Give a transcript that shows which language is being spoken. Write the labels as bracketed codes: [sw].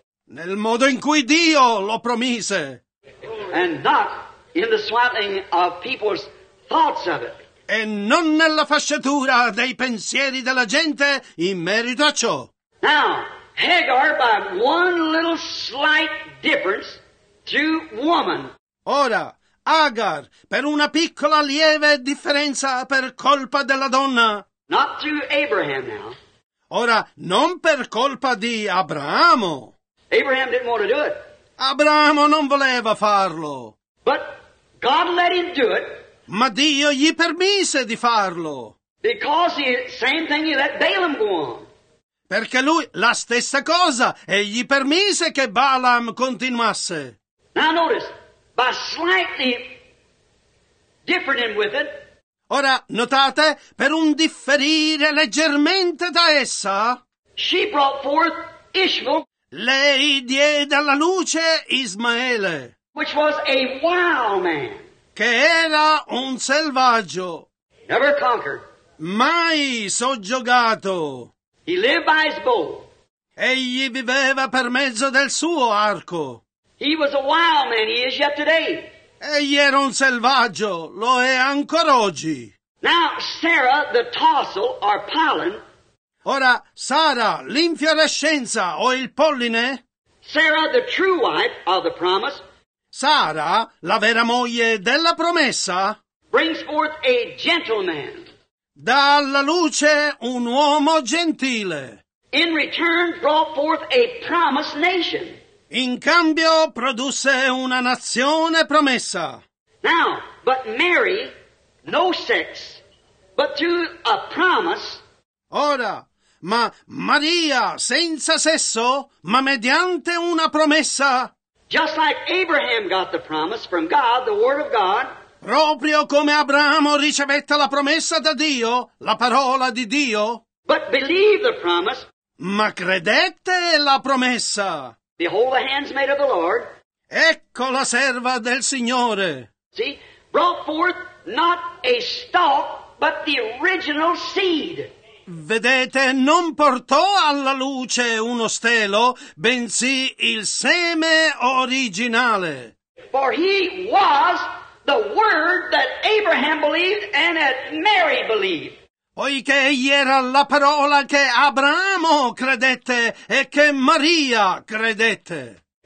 [it] Nel modo in cui Dio lo promise. [en] And not in the swaddling of people's thoughts of it. [it] E non nella fasciatura dei pensieri della gente in merito a ciò. [en] Now, Hagar, by one little slight difference to woman. [it] Ora, Hagar, per una piccola lieve differenza per colpa della donna. [en] Not to Abraham now. [it] Ora, non per colpa di Abramo. [en] Abraham didn't want to do it. [it] Abramo non voleva farlo. [en] But God let him do it. [it] Ma Dio gli permise di farlo. [en] Because he, same thing he let Balaam go on. [it] Perché lui, la stessa cosa, egli permise che Balaam continuasse. [en] Now notice, by slightly differing with it. [it] Ora, notate, per un differire leggermente da essa. [en] She brought forth Ishmael. [it] Lei diede alla luce Ismaele. [en] Which was a wild man. [it] Che era un selvaggio. [en] Never conquered. [it] Mai soggiogato. [en] He lived by his bow. [it] Egli viveva per mezzo del suo arco. [en] He was a wild man, he is yet today. [it] Egli era un selvaggio, lo è ancora oggi. [en] Now, Sarah, the tassel, or pollen. [it] Ora, Sara, l'infiorescenza o il polline. [en] Sarah, the true wife of the promise. [it] Sara, la vera moglie della promessa, [en] brings forth a gentleman. [it] Dà alla luce un uomo gentile. [en] In return, brought forth a promised nation. [it] In cambio, produsse una nazione promessa. [en] Now, but Mary, no sex, but to a promise. [it] Ora, ma Maria, senza sesso, ma mediante una promessa. [en] Just like Abraham got the promise from God, the word of God. [it] Proprio come Abramo ricevette la promessa da Dio, la parola di Dio. [en] But believe the promise. [it] Ma credette la promessa. [en] Behold the handmaid of the Lord. [it] Ecco la serva del Signore. [en] See, brought forth not a stalk, but the original seed. [it] Vedete, non portò alla luce uno stelo, bensì il seme originale. [en] For he was the word that Abraham believed and that Mary believed. [it] Poiché egli era la parola che Abramo credette e che Maria credette.